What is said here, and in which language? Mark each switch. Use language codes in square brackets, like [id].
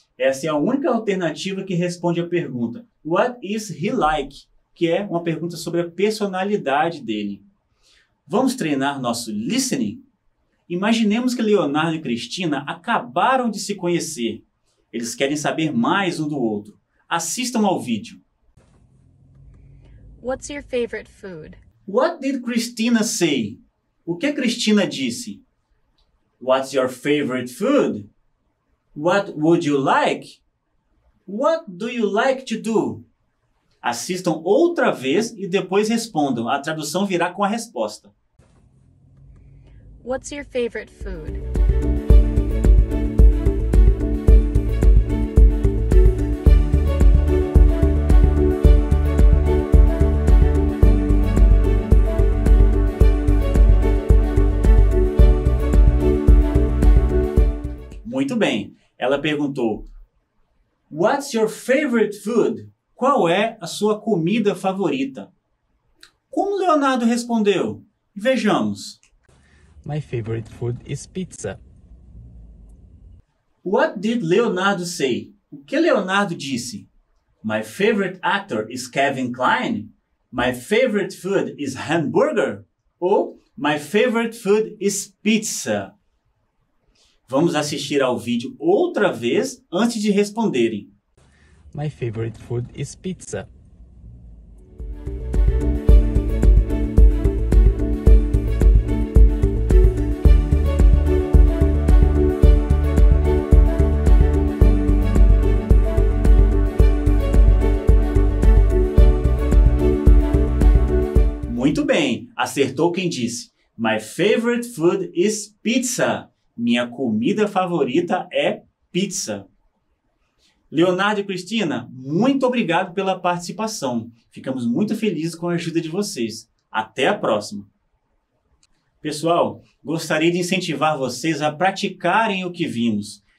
[pt] Essa é a única alternativa que responde à pergunta [en] What is he like? [pt] Que é uma pergunta sobre a personalidade dele. Vamos treinar nosso listening? Imaginemos que Leonardo e Cristina acabaram de se conhecer. Eles querem saber mais um do outro. Assistam ao vídeo. [en] What's your favorite food? What did Cristina say? [pt] O que a Cristina disse? [en] What's your favorite food? What would you like? What do you like to do? [pt] Assistam outra vez e depois respondam. A tradução virá com a resposta. [en] What's your favorite food? [pt] Muito bem, ela perguntou, [en] What's your favorite food? [pt] Qual é a sua comida favorita? Como Leonardo respondeu? Vejamos. [en] My favorite food is pizza. What did Leonardo say? [pt] O que Leonardo disse? [en] My favorite actor is Kevin Klein. My favorite food is hamburger. Ou my favorite food is pizza. [pt] Vamos assistir ao vídeo outra vez antes de responderem. [en] My favorite food is pizza. [pt] Muito bem, acertou quem disse. [en] My favorite food is pizza. [pt] Minha comida favorita é pizza. Leonardo e Cristina, muito obrigado pela participação. Ficamos muito felizes com a ajuda de vocês. Até a próxima. Pessoal, gostaria de incentivar vocês a praticarem o que vimos.